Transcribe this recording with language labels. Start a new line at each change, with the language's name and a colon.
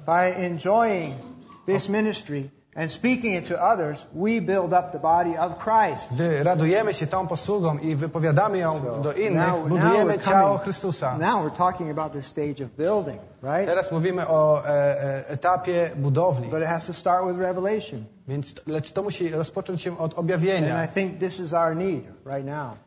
English: By enjoying this ministry and speaking it to others, we build up the body of Christ.
Polish: Gdy radujemy się tą posługą i wypowiadamy ją do innych, budujemy ciało Chrystusa.
English: Now we're talking about the stage of building, right?
Polish: Teraz mówimy o etapie budowli.
English: But it has to start with revelation.
Polish: Lecz to musi rozpocząć się od objawienia.
English: And I think this is our need right now.